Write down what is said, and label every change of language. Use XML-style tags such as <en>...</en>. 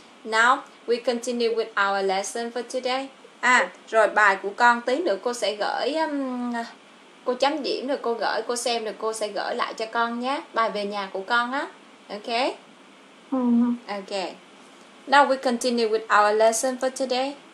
<en>Now, we continue with our lesson for today.</en> <vi>Rồi bài của con tí nữa cô sẽ gửi cô chấm điểm rồi cô gửi, cô xem rồi cô sẽ gửi lại cho con nhé. Bài về nhà của con á. Okay? Okay.</vi> <en>Now we continue with our lesson for today.</en>